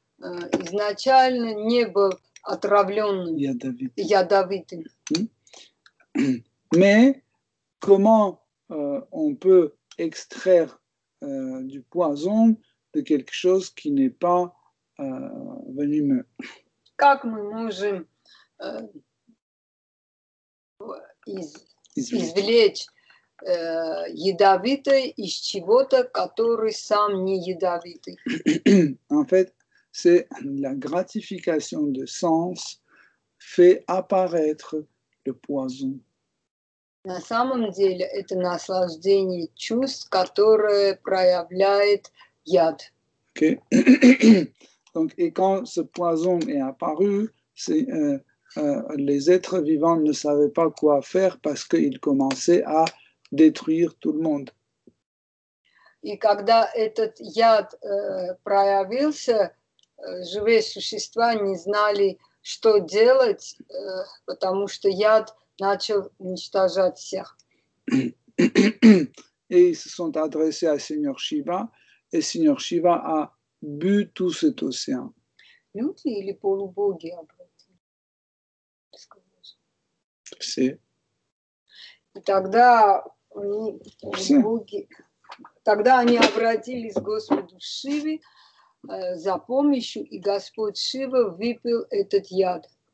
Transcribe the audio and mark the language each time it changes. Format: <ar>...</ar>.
<ru>изначально не был отравленным, ядовитым.</ru> <fr>Mais comment on peut extraire du poison de quelque chose qui n'est pas venimeux?</fr> <ru>Как мы можем извлечь ядовитое из чего-то, который сам не ядовитый?</ru> <fr>En fait, c'est la gratification de sens fait apparaître le poison.</fr> <ru>На самом деле, это наслаждение чувств, которое проявляет яд.</ru> <en>Okay.</en> <fr>Donc, et quand ce poison est apparu, c'est, les êtres vivants ne savaient pas quoi faire parce qu'ils commençaient à détruire tout le monde.</fr> <ru>И когда этот яд проявился, живые существа не знали, что делать, потому что яд начал уничтожать всех.</ru> <fr>Et ils se sont adressés à Seigneur Shiva, et Seigneur Shiva a bu tout cet océan.</fr> <ru>Люди или полубоги обратились? Все. И тогда они, полубоги, тогда они обратились к Господу Шиве за помощью, и Господь Шива выпил этот яд.</ru>